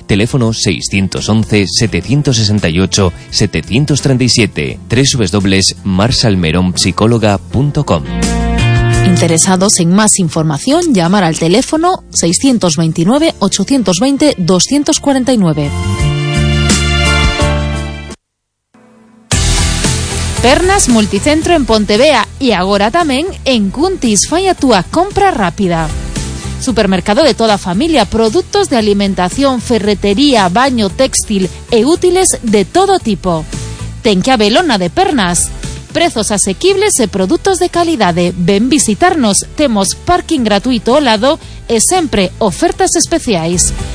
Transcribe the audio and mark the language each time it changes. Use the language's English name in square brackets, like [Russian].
[Spanish] Teléfono 611-768-737. www.marsalmeronpsicóloga.com. Interesados en más información, llamar al teléfono 629-820-249. [Galician] Pernas Multicentro en Pontevea y agora tamén en Cuntis fai a túa compra rápida. Supermercado de toda familia, productos de alimentación, ferretería, baño, textil e útiles de todo tipo. Ten que haber lona de Pernas. Prezos asequibles e productos de calidade. Ven visitarnos, temos parking gratuito ao lado e sempre ofertas especiais.